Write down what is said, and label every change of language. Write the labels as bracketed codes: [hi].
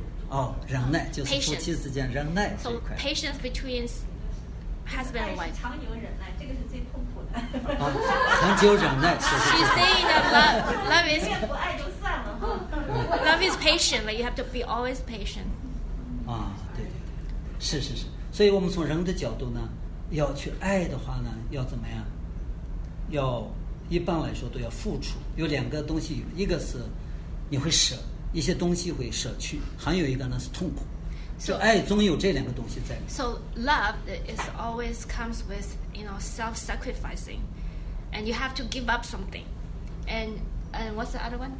[zh] 哦，忍耐就是夫妻之间忍耐这块。 [en] So patience between husband and wife. [zh] 长久忍耐，这个是最痛苦的。长久忍耐。 [en] She's saying that love is [zh] 不爱就算了哈。 [en] Love is patient, but you have to be always patient. [zh] 啊，对对对，是是是。所以我们从人的角度呢，要去爱的话呢，要怎么样？要一般来说都要付出，有两个东西，一个是你会舍。一些东西会舍去，还有一个呢是痛苦，就爱总有这两个东西在。 [en] So love is always comes with you know self-sacrificing, and you have to give up something, and what's the other one?